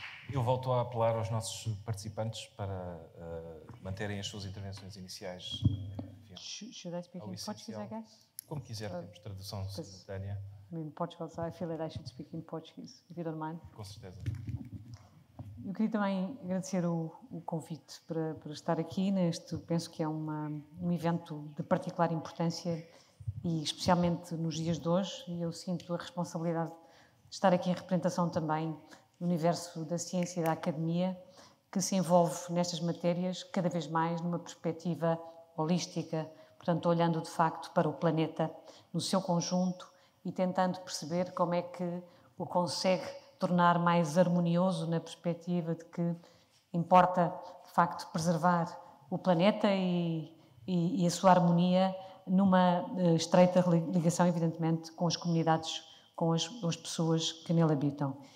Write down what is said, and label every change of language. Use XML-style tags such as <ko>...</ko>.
<pt>Eu volto a apelar aos nossos participantes para manterem as suas intervenções iniciais.</pt> <en>Should I speak in Portuguese, I guess?</en> <pt>Como quiser, temos tradução simultânea.</pt> <en>In Portugal, so I feel that I should speak in Portuguese, if you don't mind.</en> <pt>Com certeza. Eu queria também agradecer o convite para estar aqui neste, penso que é um evento de particular importância e especialmente nos dias de hoje, e eu sinto a responsabilidade de estar aqui em representação também do universo da ciência e da academia, que se envolve nestas matérias cada vez mais numa perspectiva holística, portanto olhando de facto para o planeta no seu conjunto e tentando perceber como é que o consegue tornar mais harmonioso na perspectiva de que importa de facto preservar o planeta e a sua harmonia numa estreita ligação, evidentemente, com as comunidades, com as pessoas que nele habitam.</pt>